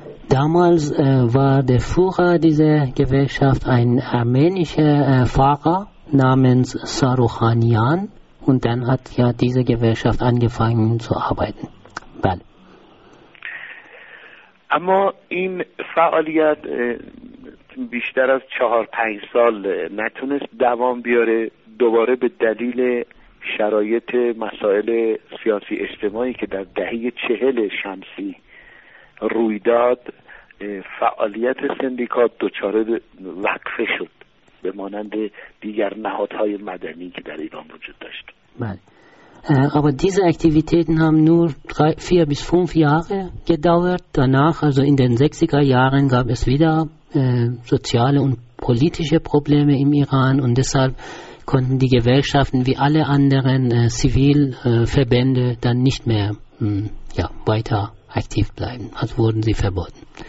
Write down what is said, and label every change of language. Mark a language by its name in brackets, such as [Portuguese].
[German] Damals war der Führer dieser Gewerkschaft ein armenischer Fahrer namens Saruhanian und dann hat ja diese Gewerkschaft angefangen zu arbeiten. [Persian] بله. اما این فعالیت بیشتر از 4-5 سال نتونست دوام بیاره، دوباره به دلیل شرایط مسائل سیاسی اجتماعی که در دهه 40 شمسی روی داد، فعالیت سندیکات دچار وقفه شد به مانند دیگر نهادهای مدنی که در ایران وجود داشت. بله. [German] Aber diese Aktivitäten haben nur 4-5 Jahre gedauert. Danach, also in den 60er Jahren, gab es wieder soziale und politische Probleme im Iran und deshalb konnten die Gewerkschaften wie alle anderen Zivilverbände dann nicht mehr weiter aktiv bleiben, als wurden sie verboten.